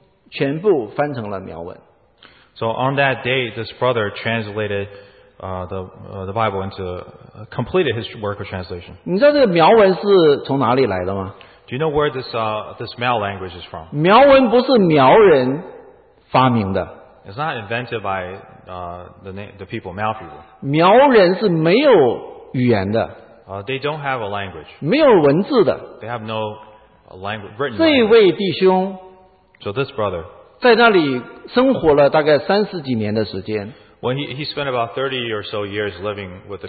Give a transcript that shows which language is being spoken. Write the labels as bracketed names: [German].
[Chinese] 所以在1913年10月6号那天，这位弟兄把英文的圣经全部翻成了苗文。 [English] So on that day, this brother translated the Bible into completed his work of translation. [Chinese] 你知道这个苗文是从哪里来的吗？ [English] Do you know where this Miao language is from? [Chinese] 苗文不是苗人发明的。 [English] It's not invented by the people, Miao people. [Chinese] 苗人是没有语言的。 [English] They don't have a language. [Chinese] 没有文字的。 [English] They have no language, written [Chinese] 这位弟兄, [English] language. So this brother, [Chinese] 在那里生活了大概30几年的时间。 [English] When he spent about 30 or so years living with the